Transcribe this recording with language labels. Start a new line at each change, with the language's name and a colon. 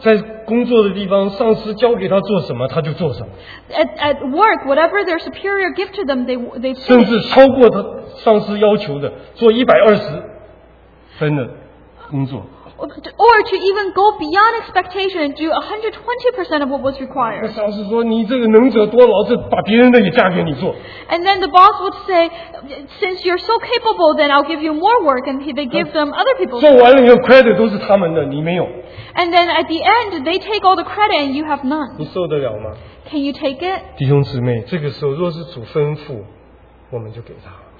Chinese: 在工作的地方, 上司交给他做什么,
English: at work, whatever their superior gift to them, they finish.
Chinese: 甚至超过他上司要求的, 做120分的工作。
English: Or to even go beyond expectation and do 120% of what was required.
Chinese: 上司说,
English: and then the boss would say, since you're so capable, then I'll give you more work, and they give them other people's work.
Chinese: 做完了以后, credit 都是他们的, 你没有。
English: And then at the end, they take all the credit and you have none.
Chinese: 你受得了吗?
English: Can you take it?
Chinese: 弟兄姊妹, 这个时候, 若是主吩咐, 我们就给他。